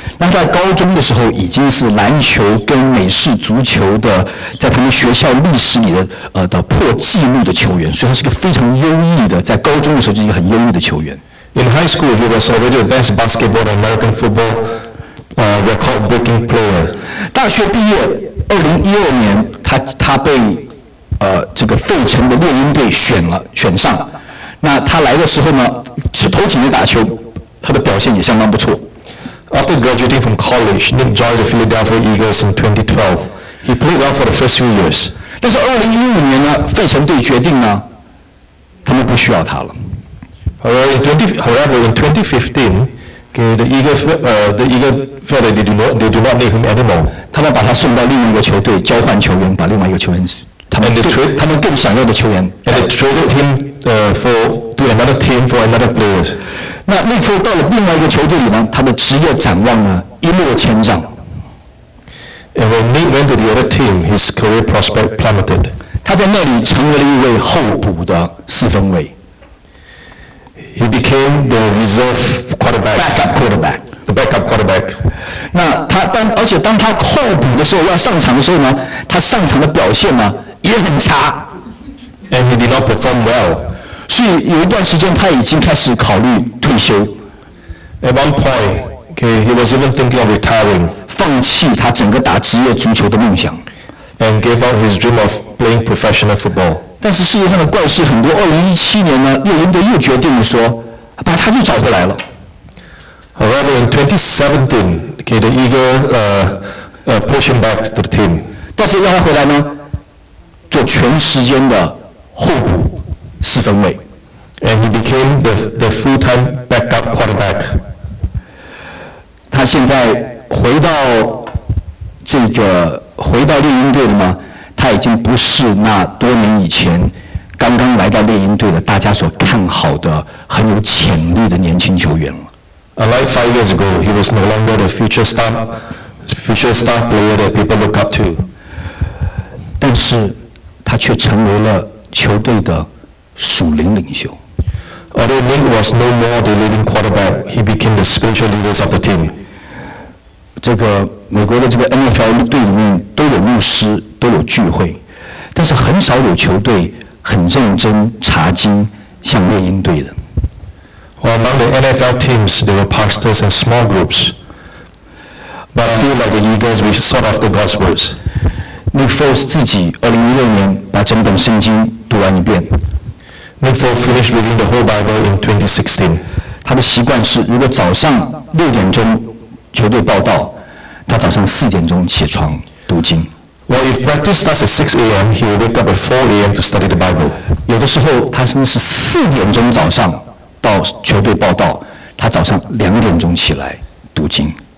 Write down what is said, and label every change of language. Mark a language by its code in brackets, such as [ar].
[zh] 那在高中的时候已经是篮球跟美式足球的，在他们学校历史里的的破纪录的球员，所以他是个非常优异的，在高中的时候就是一个很优异的球员。 [en] In high school, he was already the best basketball and American football record-breaking player. [zh] 大学毕业，2012年，他被这个费城的猎鹰队选上。那他来的时候呢？头几年打球，他的表现也相当不错。 [en] After graduating from college, Nick joined the Philadelphia Eagles in 2012. He played well for the first few years. [zh] 但是2015年呢，费城队决定呢，他们不需要他了。 [en] However, in 2015, okay, the Eagles felt that they do not need him anymore. [zh] 他们把他送到另一个球队交换球员，把另外一个球员，他们更想要的球员。 [en] And they traded him to another team for another players. [zh] 那内科到了另外一个球队里呢，他的职业展望呢一落千丈。 [en] And when he went to the other team, his career prospect plummeted. [zh] 他在那里成为了一位候补的四分卫。 [en] He became the reserve quarterback. Backup quarterback. The backup quarterback. [zh] 那他当而且当他候补的时候要上场的时候呢，他上场的表现呢也很差。 [en] And he did not perform well. [zh] 所以有一段时间他已经开始考虑退休。 [en] At one point, okay, he was even thinking of retiring. [zh] 放弃他整个打职业足球的梦想。 [en] And gave up his dream of playing professional football. [zh] 但是世界上的怪事很多。2017年呢，又赢得又决定说，把他又找回来了。 [en] However, in 2017, okay, the Eagle pushed him back to the team. [zh] 但是让他回来呢，做全时间的候补四分卫。 [en] And he became the full-time backup quarterback. [zh] 他现在回到这个回到猎鹰队了吗？他已经不是那多年以前刚刚来到猎鹰队的大家所看好的很有潜力的年轻球员了。 [en] Unlike 5 years ago, he was no longer the future star player that people look up to. [zh] 但是他却成为了球队的属灵领袖。 [en] Although Nick was no more the leading quarterback, he became the spiritual leader of the team. [zh] 这个美国的这个 NFL 队里面都有牧师。都有聚会，但是很少有球队很认真查经，像猎鹰队的。 [en] Well, among the NFL teams, there were pastors and small groups, but few like the Eagles, which sought after God's words. [zh] Nick Foles 自己2016年把整本圣经读完一遍。 [en] Nick Foles finished reading the whole Bible in 2016. [zh] 他的习惯是，如果早上6点钟球队报道，他早上4点钟起床读经。 Well, if practice starts at 6 a.m., he will wake up at 4 a.m. to study the Bible. 有的时候他甚至是4点钟早上到球队报道，他早上2点钟起来读经。